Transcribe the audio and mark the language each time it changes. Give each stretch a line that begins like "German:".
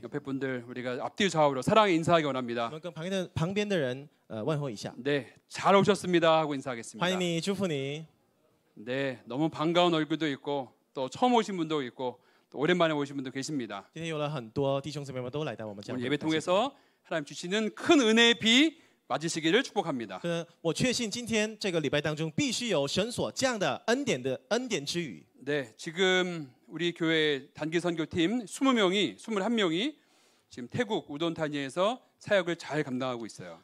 Korean: 옆에 분들 우리가 앞뒤로 좌우로 사랑 인사하기 원합니다.
Chinese: 방边的人问候一下.
Korean: 네, 잘 오셨습니다 하고 인사하겠습니다.
Chinese: 欢迎你，祝福你.
Korean: 네, 너무 반가운 얼굴도 있고 또 처음 오신 분도 있고 또 오랜만에 오신 분도 계십니다.
Chinese: 今天有了很多弟兄姊妹们都来到我们家。
Korean: 예배 통해서 하나님 주시는 큰 은혜의 비 맞으시기를 축복합니다.
Chinese: 我确信今天这个礼拜当中必须有神所降的恩典之雨。
Korean: 네, 지금 우리 교회 단기 선교팀 21명이 지금 태국 우돈 타니에서 사역을 잘 감당하고 있어요.